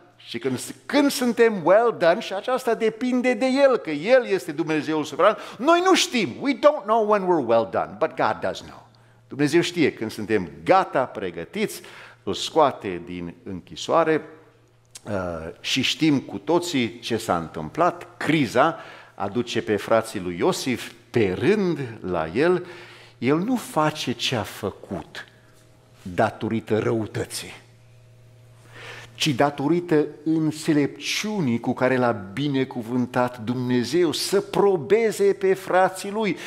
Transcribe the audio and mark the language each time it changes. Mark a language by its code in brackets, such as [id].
[ro] Și când suntem well done, și aceasta depinde de el, că el este Dumnezeul suveran, noi nu știm. [en] We don't know when we're well done, but God does know. [ro] Dumnezeu știe când suntem gata, pregătiți, îl scoate din închisoare și știm cu toții ce s-a întâmplat. Criza aduce pe frații lui Iosif pe rând la el. El nu face ce a făcut datorită răutății, ci datorită înțelepciunii cu care l-a binecuvântat Dumnezeu să probeze pe frații lui.